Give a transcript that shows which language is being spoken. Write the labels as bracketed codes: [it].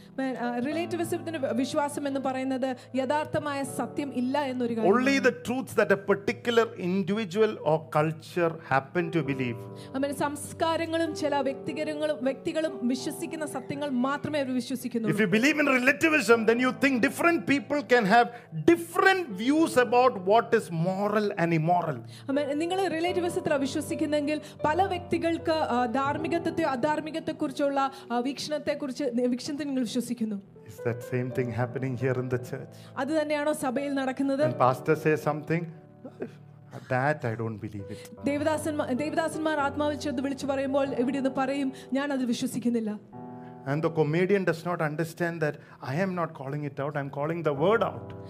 [en] Only the truths that a particular individual or culture happen to believe. If you believe in relativism, then you think different people can have different views about what is moral and immoral. [ml] നിങ്ങളെ റിലേറ്റിവിസത്തിൽ വിശ്വസിക്കുന്നെങ്കിൽ പല വ്യക്തികൾക്ക് ധാർമ്മികത്തെ അധാർമ്മികത്തെ കുറിച്ചുള്ള വീക്ഷണത്തെ കുറിച്ച് വീക്ഷണത്തിൽ നിങ്ങൾ വിശ്വസിക്കുന്നു. [en] Is that same thing happening here in the church? [ml] അത് തന്നെയാണോ സഭയിൽ നടക്കുന്നത്? [en] And pastor say something, that I don't believe it. [ml] ദേവദാസന്മാർ ആത്മാവിൽ ചെന്ന് വിളിച്ചു പറയുമ്പോൾ ഇവിടെന്ന് പറയും, ഞാൻ അത് വിശ്വസിക്കുന്നില്ല. [en] And the comedian does not understand that I am not calling it out, I am calling the word out.